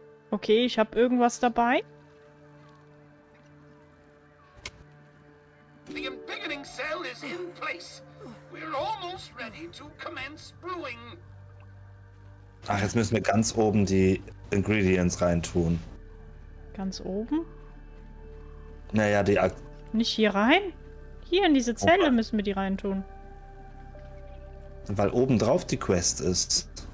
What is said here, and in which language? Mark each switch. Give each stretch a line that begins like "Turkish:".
German: Okay, ich habe irgendwas dabei.
English: The beginning cell is in place. We're almost ready to commence brewing.
German: Ach, jetzt müssen wir ganz oben die Ingredients reintun. Ganz oben? Naja, die... Nicht hier rein? Hier in diese Zelle okay. Müssen wir die reintun. Weil oben drauf die Quest ist.